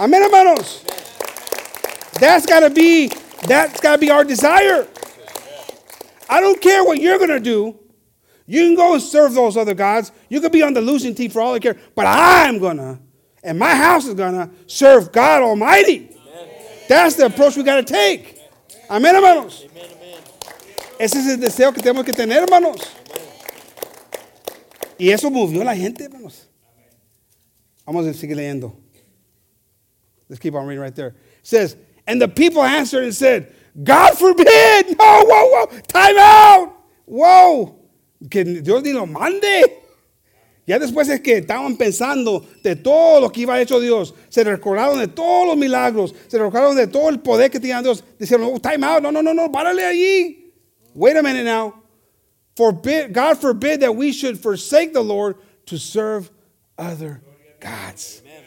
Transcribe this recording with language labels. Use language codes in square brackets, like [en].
[en] Amen, hermanos. Amen. That's got to be our desire. I don't care what you're going to do. You can go and serve those other gods. You could be on the losing team for all I care. But I'm going to, and my house is going to, serve God Almighty. Amen. That's the approach we got to take. Amen, hermanos. Amen, amen. [es] Ese es el deseo que tenemos que tener, hermanos. Amen. Y eso movió a la gente, hermanos. Vamos a seguir leyendo. [en] Let's keep on reading right there. It says, and the people answered and said, God forbid. No, whoa, whoa. Time out. Whoa. [es] Que Dios ni lo mande. Ya después es que estaban pensando de todo lo que iba a hecho Dios. Se recordaron de todos los milagros. Se recordaron de todo el poder que tenía Dios. Dicieron, [en] oh, time out. No. [es] Párale allí. [en] Wait a minute now. Forbid, God forbid that we should forsake the Lord to serve other gods.